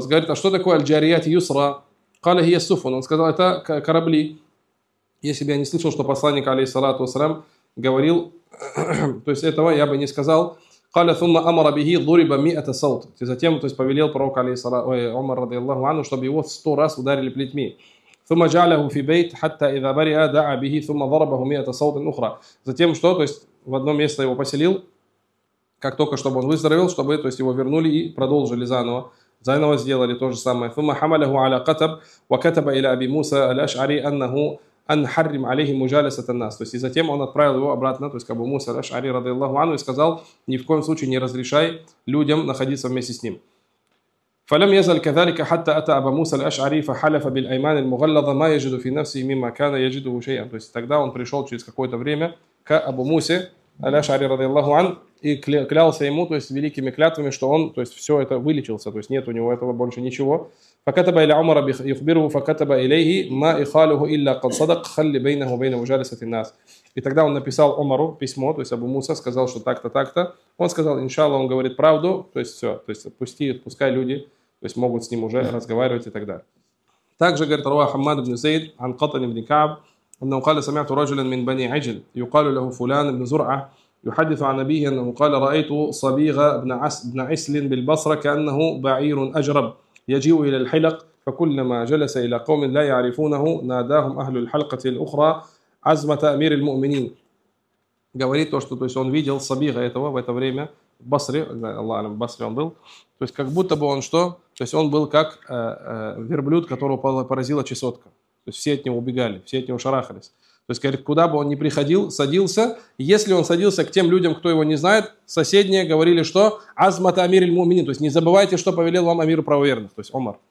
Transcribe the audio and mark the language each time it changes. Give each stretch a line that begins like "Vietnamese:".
Russian: Говорит, а что такое аль-джарият юсра?
Arabic: Каля хия суфун.
Russian: Он сказал, это корабли. Если бы я не слышал, что посланник, алейхиссалату ассалям, говорил, то есть этого я бы не сказал.
Arabic: قال ثم أمر به ضرب 100 صوت.
Russian: Затем, то есть повелел пророк Умар رضي الله عنه, чтобы его 100 раз ударили плетьми.
Arabic: ثم جعله في بيت حتى إذا برئ دعا به ثم ضربه 100 صوت أخرى.
Russian: Затем что? То есть в одно место его поселил, как только чтобы он выздоровел, чтобы то есть его вернули и продолжили заново. Заново сделали то же самое.
Arabic: ثم حمله على قتب وكتب إلى أبي موسى الأشعري أنه أن حرم عليه مجالسة الناس.
Russian: То есть и затем он отправил его обратно, то есть к Абу Муса аль-Ашъари رضي الله عنه, и сказал: ни в коем случае не разрешай людям находиться вместе с ним.
Arabic: فلم يزل كذلك حتى أتى أبو موسى الأشعري فحلف بالأيمان المغلظة ما يجد في نفسه مما كان يجده شيئا.
Russian: То есть тогда он пришел через какое-то время к Абу Мусе аль-Ашъари رضي الله عنه и клялся ему, то есть великими клятвами, что он, то есть все это вылечился, то есть нет у него этого больше ничего.
Arabic: فكتب إلى عمر يخبره فكتب إليه ما إخاله إلا قد صدق خلي بينه وبين مجالسة الناس.
Russian: И тогда он написал Умару письмо, то есть Абу Муса, сказал, что так-то, так-то. Он сказал, иншаллах, он говорит правду, то есть все, то есть отпустит, пускай люди, то есть могут с ним уже разговаривать и так далее. Также говорит
Arabic: رواه حماد بن زيد عن قطن بن كعب أنه قال سمعت رجلا من بني عجل يقال له فلان بن زرعة يحدث عن أبيه أنه قال رأيت صبيغة بن عسل بالبصرة كأنه بعير أجرب يجيء إلى الحلق فكلما جلس إلى قوم لا يعرفونه ناداهم أهل الحلقة الأخرى عزمة أمير المؤمنين.
Russian: Говорит то, что то есть он видел Сабига этого в это время в Басре, Аллах алям, в Басре он был, то есть как будто бы он что, то есть он был как верблюд, которого поразила чесотка, то есть все от него убегали, все от него шарахались. То есть, говорит, куда бы он ни приходил, садился. Если он садился к тем людям, кто его не знает, соседние говорили, что
Arabic: «Азмата амир иль мумини»,
Russian: то есть не забывайте, что повелел вам амир правоверных, то есть Умар.